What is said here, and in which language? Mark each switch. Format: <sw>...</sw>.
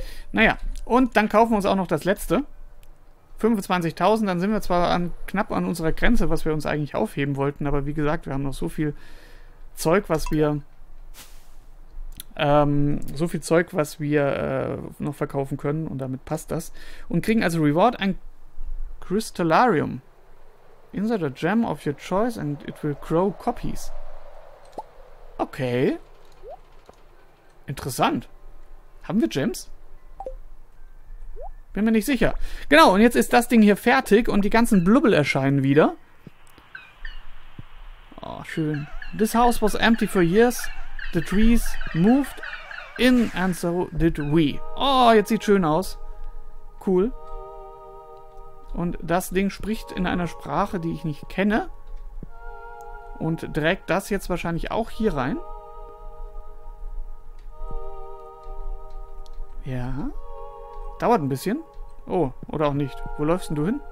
<de>Naja, und dann kaufen wir uns auch noch das letzte. 25.000, dann sind wir zwar knapp an unserer Grenze, was wir uns eigentlich aufheben wollten, aber wie gesagt, wir haben noch so viel Zeug, was wir So viel Zeug, was wir noch verkaufen können, und damit passt das. Und kriegen als Reward ein Crystallarium.</de> <en>Insert a gem of your choice and it will grow copies.</en> <de>Okay. Interessant. Haben wir Gems? Bin mir nicht sicher. Genau, und jetzt ist das Ding hier fertig und die ganzen Blubbel erscheinen wieder. Oh, schön.</de> <en>This house was empty for years. The trees moved in and so did we.</en> <de>Oh, jetzt sieht's schön aus. Cool. Und das Ding spricht in einer Sprache, die ich nicht kenne. Und trägt das jetzt wahrscheinlich auch hier rein. Ja. Dauert ein bisschen. Oh, oder auch nicht. Wo läufst denn du hin?</de>